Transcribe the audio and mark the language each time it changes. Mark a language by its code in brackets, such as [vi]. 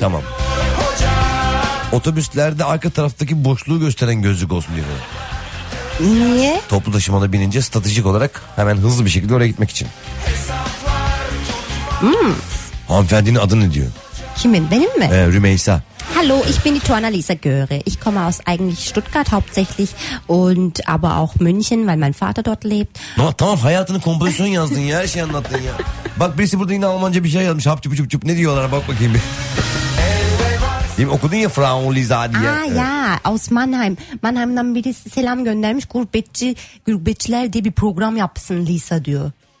[tr] Tamam. Otobüslerde arka taraftaki boşluğu gösteren gözlük olsun diyor. Niye? Toplu taşımada binince stratejik olarak hemen hızlı bir şekilde oraya gitmek için. Hmm. Hanımefendinin adı ne diyor? Kimin, benim mi? Rümeysa. [de] Hallo, ich bin die Journalisa Göre. Ich komme aus eigentlich Stuttgart hauptsächlich und aber auch München, weil mein Vater dort lebt. [tr] No, tamam, hayatını kompozisyon yazdın ya, her şeyi anlattın ya. Bak, birisi burada yine Almanca bir şey yazmış. Hap çup çup çup, ne diyorlar, bak bakayım bir. Değil mi? Okudun ya Frau Lisa diye. Aa, ya, [de] aus Mannheim. [tr] Mannheim'dan birisi selam göndermiş. Gurbetçiler diye bir program yapsın Lisa diyor.